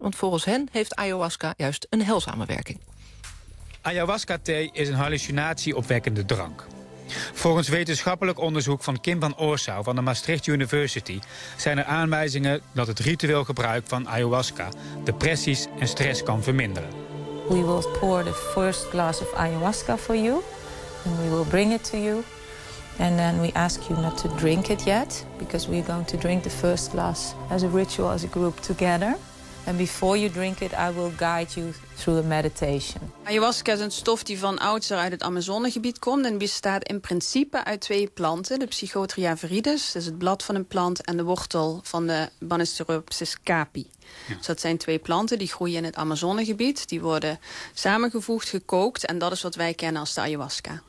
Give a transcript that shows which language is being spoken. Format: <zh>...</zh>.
<nl>Want volgens hen heeft ayahuasca juist een heilzame werking. Ayahuasca-thee is een hallucinatieopwekkende drank. Volgens wetenschappelijk onderzoek van Kim van Oorsouw van de Maastricht University zijn er aanwijzingen dat het ritueel gebruik van ayahuasca depressies en stress kan verminderen.</nl> <en>We will pour the first glass of ayahuasca for you and we will bring it to you and then we ask you not to drink it yet because we're going to drink the first glass as a ritual, as a group together. And before you drink it, I will guide you through a meditation.</en> <nl>Ayahuasca is een stof die van oudsher uit het Amazonegebied komt en bestaat in principe uit twee planten. De Psychotria viridis, dat is het blad van een plant, en de wortel van de Banisteriopsis capi. Ja. Dus dat zijn twee planten die groeien in het Amazonegebied. Die worden samengevoegd, gekookt, en dat is wat wij kennen als de ayahuasca.</nl>